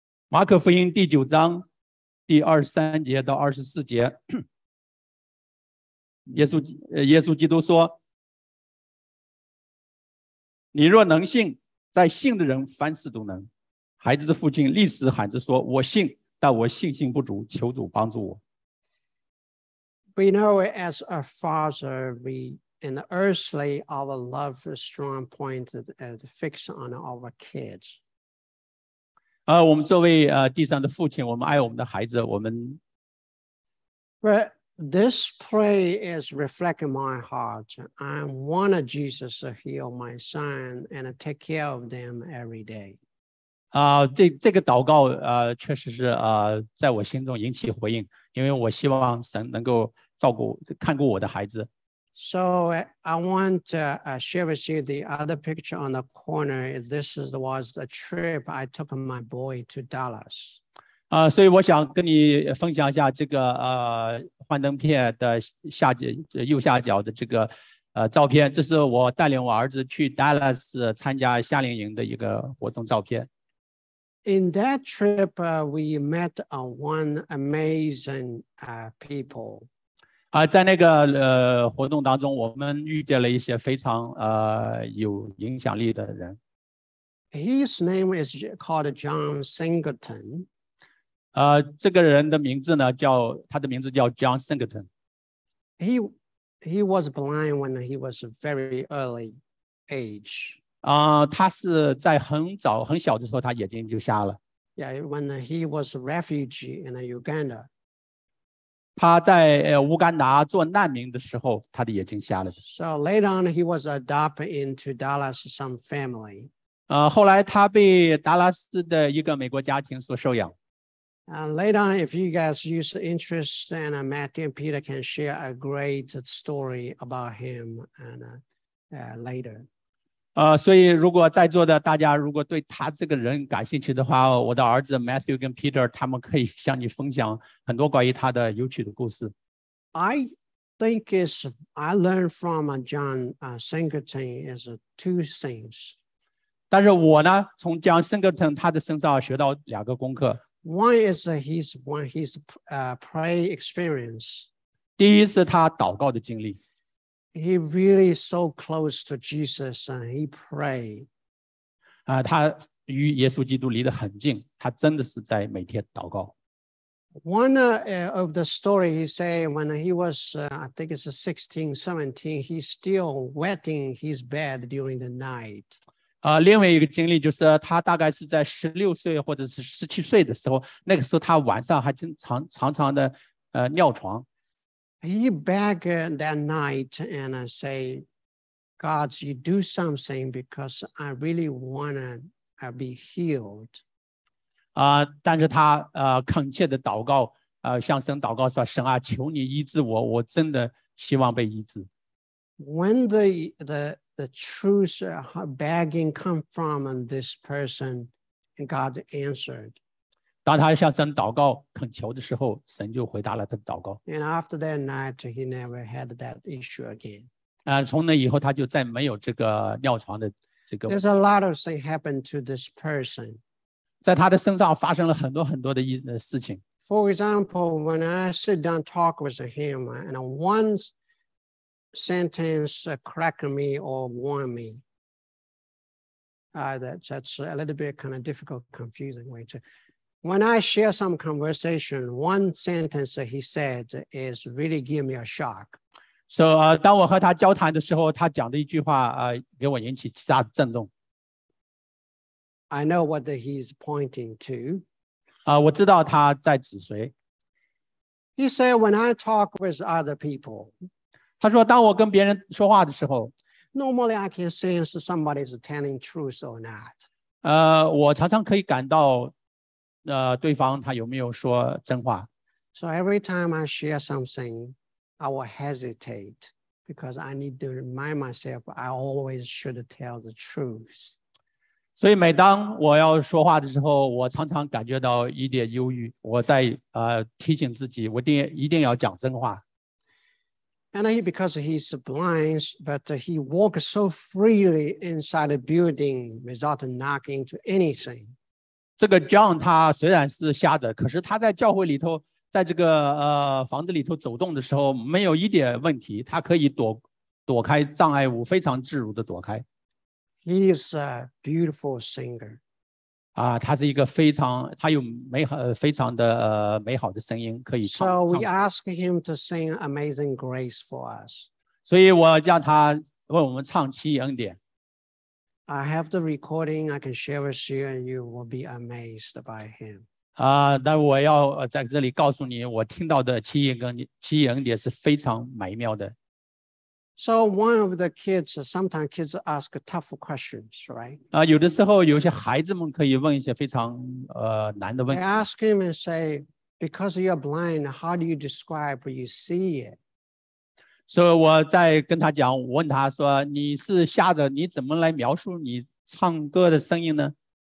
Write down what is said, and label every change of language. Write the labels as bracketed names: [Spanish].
[Chinese] Mark 福音第九章第23节到24节，耶稣基督说：“你若能信，在信的人凡事都能。” 孩子的父亲立时喊着说：“我信，但我信心不足，求主帮助我。” [English] We know as a father, we. In the earthly, our love is strong pointed and fixed on our kids. [Chinese] 我们作为地上的父亲，我们爱我们的孩子，我们。 [English] But this prayer is reflecting my heart. I want Jesus to heal my son and take care of them every day. [Chinese] 这个祷告确实是在我心中引起回应，因为我希望神能够照顾看顾我的孩子。 [English] So I want to share with you the other picture on the corner. This was the trip I took my boy to Dallas. [Chinese] 所以我想跟你分享一下这个幻灯片的下角右下角的这个照片。这是我带领我儿子去 Dallas 参加夏令营的一个活动照片。 [English] In that trip, we met one amazing people. [Chinese] 在那个活动当中，我们遇见了一些非常有影响力的人。 [English] His name is called John Singleton. [Chinese] 这个人的名字呢，叫他的名字叫 John Singleton. [English] He was blind when he was a very early age. [Chinese] 他是在很早很小的时候，他眼睛就瞎了。 [English] Yeah, when he was a refugee in Uganda. [Chinese] 他在乌干达做难民的时候，他的眼睛瞎了。 [English] So later on, he was adopted into Dallas some family. [Chinese] 后来他被达拉斯的一个美国家庭所收养。 [English] Later on, if you guys use interest, and Matthew and Peter can share a great story about him and later. [Chinese] 所以如果在座的大家如果对他这个人感兴趣的话，我的儿子 Matthew 跟 Peter 他们可以向你分享很多关于他的有趣的故事。 [English] I think is I learned from John Singleton is two things. [Chinese] 但是我呢从 John Singleton 他的身上学到两个功课。 [English] One is his prayer experience. [Chinese] 第一是他祷告的经历。 [English] He really so close to Jesus and he prayed. [Chinese] 他与耶稣基督离得很近，他真的是在每天祷告。 [English] One of the story he said when he was, I think it's 16, 17, he's still wetting his bed during the night. [Chinese] 另外一个经历就是他大概是在16岁或者是17岁的时候，那个时候他晚上还常常的尿床。 [English] He begged that night and said, God, you do something because I really want to be healed. [Chinese] 但是他恳切的祷告，向神祷告说，神啊，求你医治我，我真的希望被医治。 [English] When the truth begging come from this person, and God answered. [Chinese] 当他向神祷告恳求的时候，神就回答了他的祷告。 [English] And after that night, he never had that issue again. [Chinese] 从那以后他就再没有这个尿床的这个。 [English] There's a lot of things happened to this person. [Chinese] 在他的身上发生了很多很多的事情。 [English] For example, when I sit down talk with him, and once. Sentence crack me or warn me. That's a little bit kind of difficult, confusing way to. When I share some conversation, one sentence that he said is really give me a shock. [Chinese] So, 当我和他交谈的时候，他讲的一句话，给我引起极大的震动。 [English] I know what he's pointing to. [Chinese] 我知道他在指谁。 [English] He said, when I talk with other people. [Chinese] 他说当我跟别人说话的时候 [English] Normally I can sense somebody is telling truth or not. [Chinese] 我常常可以感到对方他有没有说真话。 [English] So every time I share something, I will hesitate because I need to remind myself I always should tell the truth. [Chinese] 所以每当我要说话的时候，我常常感觉到一点忧郁，我在提醒自己，我一定要讲真话。 [English] And he, because he's blind, but he walks so freely inside the building without knocking to anything. [Chinese] 这个 John 他虽然是瞎子，可是他在教会里头，在这个房子里头走动的时候，没有一点问题，他可以躲开障碍物，非常自如的躲开。 [English] He is a beautiful singer. [Chinese] 他是一个非常，他有美好，非常的美好的声音，可以唱。 [English] So we ask him to sing Amazing Grace for us. [Chinese] 所以我叫他为我们唱奇异恩典。 [English] I have the recording I can share with you and you will be amazed by him. [Chinese] 但我要在这里告诉你，我听到的奇异恩典是非常美妙的。 [English] So one of the kids, sometimes kids ask tough questions, right? [Chinese] 有的时候有些孩子们可以问一些非常难的问题。 [English] They ask him and say, because you're blind, how do you describe what you see it? [Chinese] So 我在跟他讲，我问他说，你是瞎子，你怎么来描述你唱歌的声音呢？